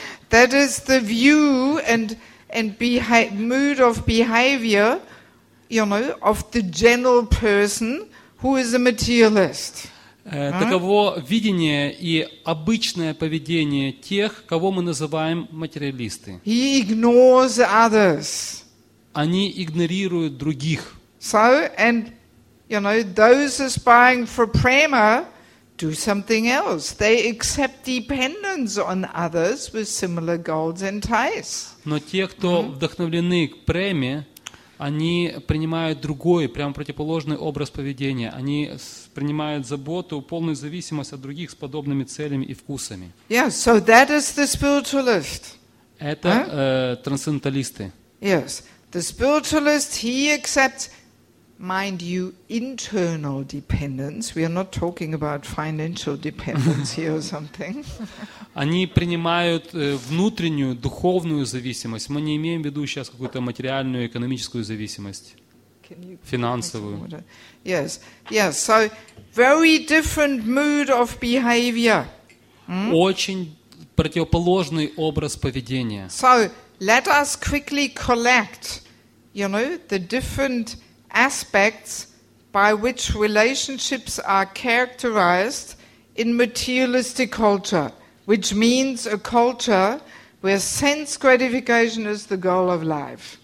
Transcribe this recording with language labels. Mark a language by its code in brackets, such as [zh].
[en] That is the view and mood of behavior, you know, of the general person who is a materialist. [ru] Таково видение и обычное поведение тех, кого мы называем материалисты. [en] He ignores others. [ru] Они игнорируют других. [en] So and you know those aspiring for prema. Do something else. They accept dependence on others with similar goals and ties. [ru] Но те, кто вдохновлены к преме, они принимают другой, прямо противоположный образ поведения. Они принимают заботу, полную зависимость от других с подобными целями и вкусами. [en] Yes, so that is the spiritualist. [ru] Это трансценденталисты. [en] Yes, the spiritualist, he accepts... Mind you, internal dependence. We are not talking about financial dependency or something. [ru] Они принимают внутреннюю духовную зависимость. Мы не имеем в виду сейчас какую-то материальную экономическую зависимость, финансовую. [en] Yes, yes. So very different mood of behavior. [ru] Очень противоположный образ поведения. [en] So let us quickly collect, you know, the different aspects by which relationships are characterized in materialistic culture, which means a culture where sense gratification is the goal of life.